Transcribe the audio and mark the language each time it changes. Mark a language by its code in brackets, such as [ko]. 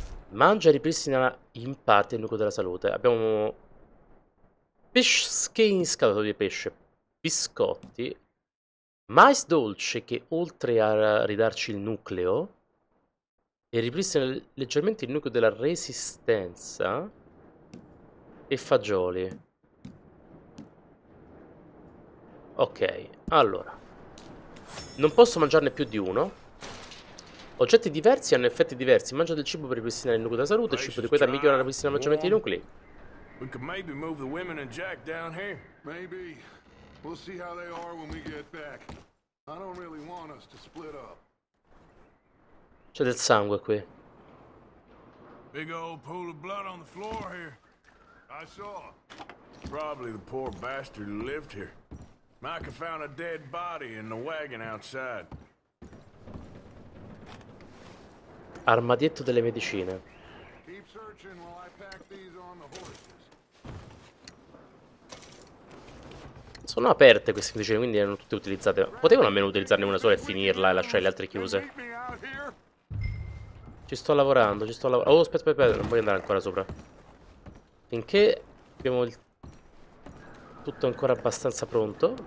[it] Mangia e ripristina in parte il nucleo della salute. Abbiamo pesche in scatola di pesce, biscotti, mais dolce che oltre a ridarci il nucleo e ripristina leggermente il nucleo della resistenza, e fagioli. Ok, allora, non posso mangiarne più di uno. Oggetti diversi hanno effetti diversi. Mangia del cibo per ripristinare il nucleo della salute. Il cibo di qualità migliora la ripristina maggiormente dei nuclei. [en] We could maybe move the women and Jack down here. Maybe. We'll see how they are when we get back. I don't really want us to split up. [it] C'è del sangue qui. [en] Big old pool of blood on the floor here. I saw. Probably the poor bastard who lived here. Micah found a dead body in the wagon outside. [it] Armadietto delle medicine. [en] Keep searching while I pack these on the horse. [it] Sono aperte queste medicine, quindi erano tutte utilizzate. Potevano almeno utilizzarne una sola e finirla e lasciare le altre chiuse. Ci sto lavorando, ci sto lavorando. Oh, aspetta, aspetta, non voglio andare ancora sopra. Finché abbiamo il... tutto ancora abbastanza pronto.